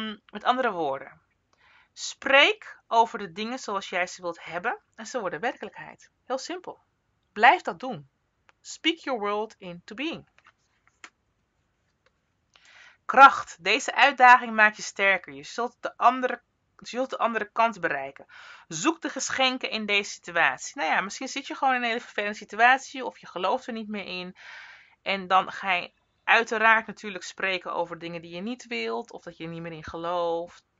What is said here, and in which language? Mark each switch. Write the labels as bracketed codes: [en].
[nl] met andere woorden. Spreek over de dingen zoals jij ze wilt hebben en ze worden werkelijkheid. Heel simpel. Blijf dat doen. [en] Speak your world into being. [nl] Kracht. Deze uitdaging maakt je sterker. Je zult de andere kant bereiken. Zoek de geschenken in deze situatie. Nou ja, misschien zit je gewoon in een hele vervelende situatie of je gelooft er niet meer in. En dan ga je uiteraard natuurlijk spreken over dingen die je niet wilt of dat je er niet meer in gelooft.